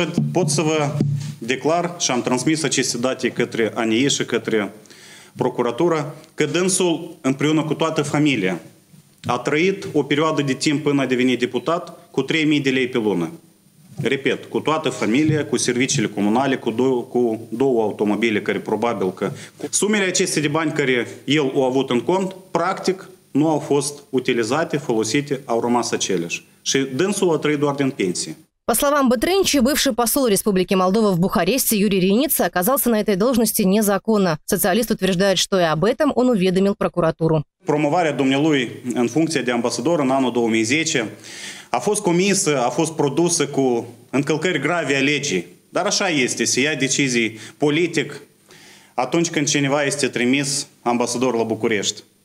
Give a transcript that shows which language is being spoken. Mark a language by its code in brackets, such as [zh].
[ro] Pot să vă declar și am transmis aceste date către ANIE și către procuratura, că dânsul împreună cu toată familia a trăit o perioadă de timp până a devenit deputat cu 3.000 de lei pe lună. Repet, cu toată familia, cu serviciile comunale, cu două automobile care probabil că... Sumele acestea de bani care el a avut în cont, practic, nu au fost utilizate, folosite, au rămas aceleași. Și dânsul a trăit doar din pensie. [ru] По словам Бытрынча, бывший посол Республики Молдова в Бухаресте Юрий Реница оказался на этой должности незаконно. Социалист утверждает, что и об этом он уведомил прокуратуру. [ro] Промоварea dumnealui în funcție de ambasador în anul 2010 a fost comisă, a fost produsă cu încălcări grave a legii. Dar așa este, se ia decizii politic atunci când cineva este trimis ambasador la București.